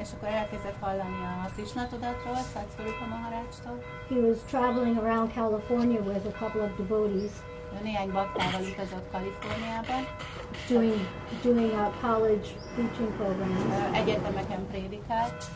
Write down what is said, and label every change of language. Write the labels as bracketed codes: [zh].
[hu] És akkor elkezdett hallani a Krishna tudatról, Satsvarupa Maharajtól. [en] He was traveling around California with a couple of devotees. [hu] Néhány baktával utazott Kaliforniában. [en] Doing a college preaching program. [hu] Egyetemeken prédikált.